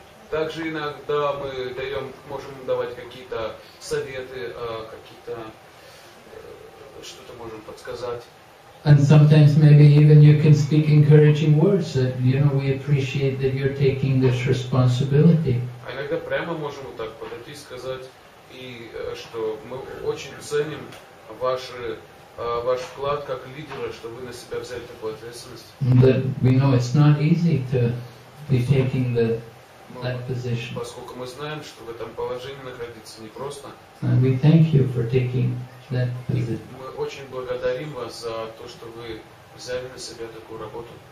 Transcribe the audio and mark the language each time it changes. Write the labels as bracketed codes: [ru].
[ru] Также иногда мы даем, можем давать какие-то советы, какие-то что-то можем подсказать. [en] And sometimes maybe even you can speak encouraging words that, you know, we appreciate that you're taking this responsibility. [ru] А иногда прямо можем вот так подойти и сказать, и что мы очень ценим ваш вклад как лидера, что вы на себя взяли такую ответственность. [en] But we know it's not easy to be taking that position. [ru] Поскольку мы знаем, что в этом положении находиться непросто. [en] And we thank you for taking that position. [ru] Мы очень благодарим вас за то, что вы взяли на себя такую работу.